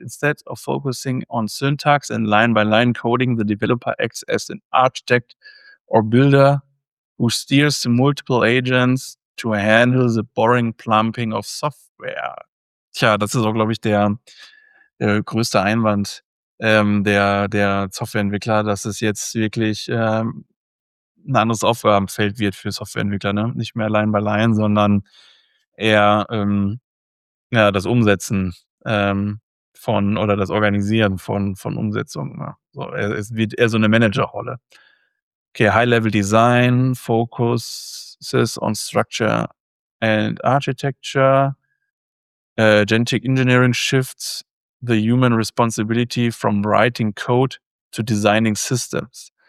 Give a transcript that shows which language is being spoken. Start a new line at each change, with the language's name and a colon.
English: Instead of focusing on syntax and line-by-line coding, the developer acts as an architect or builder who steers multiple agents to handle the boring plumping of software.
German: Tja, das ist auch, glaube ich, der größte Einwand der Softwareentwickler, dass es jetzt wirklich ein anderes Aufgabenfeld wird für Softwareentwickler, ne? Nicht mehr Line by Line, sondern eher das Umsetzen von oder das Organisieren von Umsetzungen. Ne? So, es wird eher so eine Managerrolle.
English: Okay, High-Level Design focuses on structure and architecture. Agentic Engineering shifts the human responsibility from writing code to designing systems.